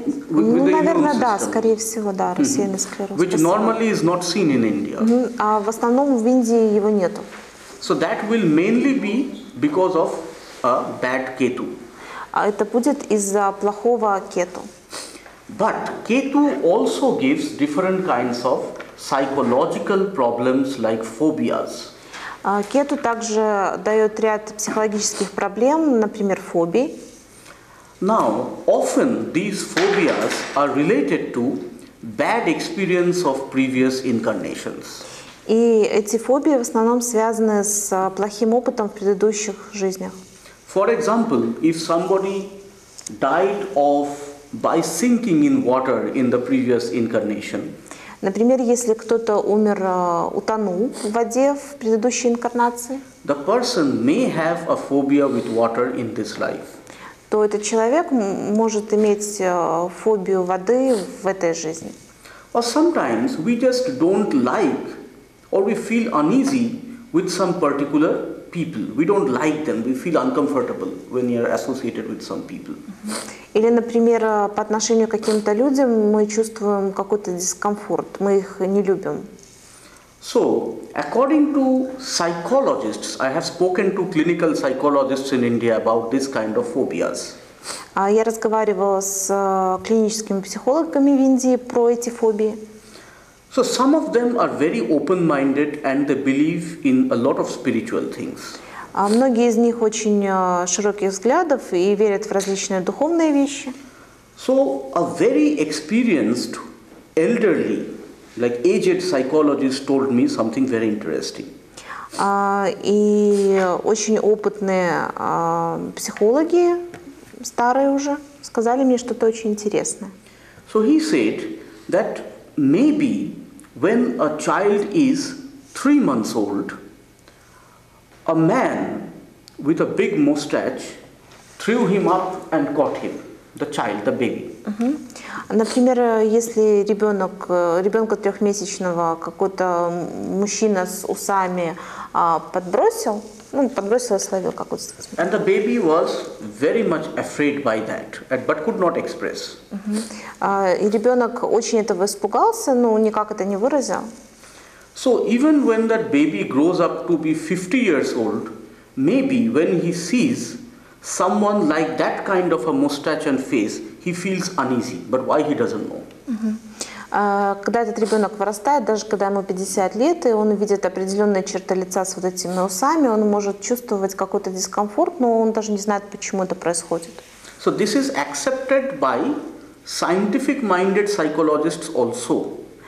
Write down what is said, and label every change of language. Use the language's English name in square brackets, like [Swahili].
[Russian] наверное, да, скорее всего, да, рассеянный склероз. [English] Which normally is not seen in India. [Russian] А в основном в Индии его нету. [English] So that will mainly be because of a bad Ketu. [Russian] А это будет из-за плохого Кету. [English] But Ketu also gives different kinds of psychological problems like phobias. [Russian] Кету также дает ряд психологических проблем, например, фобии. [English] Now, often these phobias are related to bad experience of previous incarnations. [Russian] И эти фобии в основном связаны с плохим опытом в предыдущих жизнях. [English] For example, if somebody died of by sinking in water in the previous incarnation. [Russian] Например, если кто-то умер, утонул в воде в предыдущей инкарнации. [English] The person may have a phobia with water in this life. [Russian] То этот человек может иметь фобию воды в этой жизни. [English] Or sometimes we just don't like or we feel uneasy with some particular people. We don't like them. We feel uncomfortable when you are associated with some people. [Russian] Или, например, по отношению к каким-то людям мы чувствуем какой-то дискомфорт. Мы их не любим. [English] So, according to psychologists, I have spoken to clinical psychologists in India about this kind of phobias. [Russian] Я разговаривала с клиническими психологами в Индии про эти фобии. [English] So some of them are very open-minded and they believe in a lot of spiritual things. [Russian] Многие из них очень широких взглядов и верят в различные духовные вещи. [English] So a very experienced elderly, like aged psychologist told me something very interesting. [Russian] И очень опытные психологи, старые уже, сказали мне что-то очень интересное. [English] So he said that maybe when a child is 3 months old, a man with a big mustache threw him up and caught him, the child, the baby. [Russian] Например, если ребенка трехмесячного какой-то мужчина с усами подбросил, ну, подбросил и словил какой-то. [English] And the baby was very much afraid by that, but could not express. [Russian] И ребенок очень этого испугался, но никак это не выразил. [English] So even when that baby grows up to be 50 years old, maybe when he sees someone like that kind of a mustache and face, he feels uneasy, but why he doesn't know. [Russian] Когда этот ребенок вырастает, даже когда ему 50 лет, и он видит определенные черты лица с вот этими усами, он может чувствовать какой-то дискомфорт, но он даже не знает, почему это происходит. [English] So this is accepted by scientific-minded psychologists also.